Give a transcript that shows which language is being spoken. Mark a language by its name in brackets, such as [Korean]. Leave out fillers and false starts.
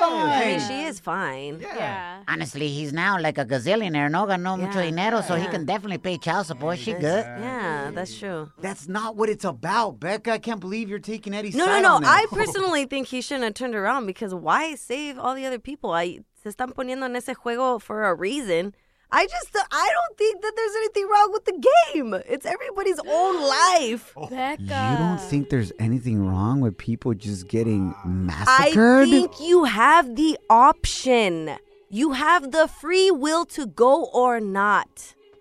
[English] I mean, she is fine. Yeah. Honestly, he's now like a gazillionaire. No, got no [Spanish] mucho dinero, [English] so he can definitely pay child support. Yeah, she good. Yeah, that's true. That's not what it's about, Becca. I can't believe you're taking Eddie's side. No. I personally think he shouldn't have turned around, because why save all the other people? [Spanish] Se están poniendo en ese juego [English] for a reason. I don't think that there's anything wrong with the game. It's everybody's own life. Oh. Becca. You don't think there's anything wrong with people just getting massacred? I think you have the option. You have the free will to go or not.